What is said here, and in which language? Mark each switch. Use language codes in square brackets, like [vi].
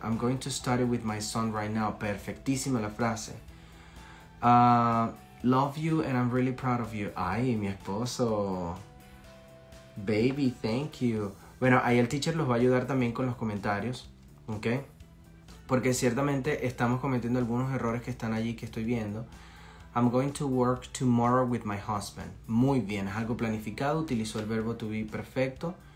[en] I'm going to study with my son right now. [es] Perfectísima la frase. [en] Love you and I'm really proud of you. [es] Ay, mi esposo. [en] Baby, thank you. [es] Bueno, ahí el teacher los va a ayudar también con los comentarios. ¿Ok? Porque ciertamente estamos cometiendo algunos errores que están allí que estoy viendo. [en] I'm going to work tomorrow with my husband. [es] Muy bien, es algo planificado. Utilizó el verbo to be perfecto.